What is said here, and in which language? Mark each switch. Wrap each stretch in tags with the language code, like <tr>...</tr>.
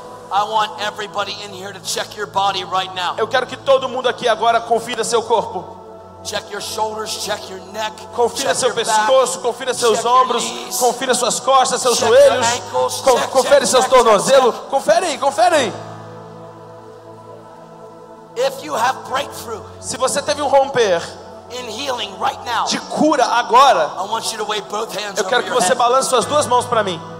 <en>I want everybody in here to check your body right now.</en> <pt>Eu quero que todo mundo aqui agora confira seu corpo.</pt> <en>Check your shoulders, check your neck.</en> <pt>Confira seu pescoço, confira seus ombros,</pt> <en>knees,</en> <pt>confira suas costas, seus joelhos. Confere seus tornozelos. Confere aí.</pt> <en>If you have breakthrough.</en> <pt>Se você teve um romper.</pt> <en>In healing right now.</en> <pt>De cura agora.</pt> <en>I want you to wave both hands.</en> <pt>Eu quero que você balance suas duas mãos para mim.</pt>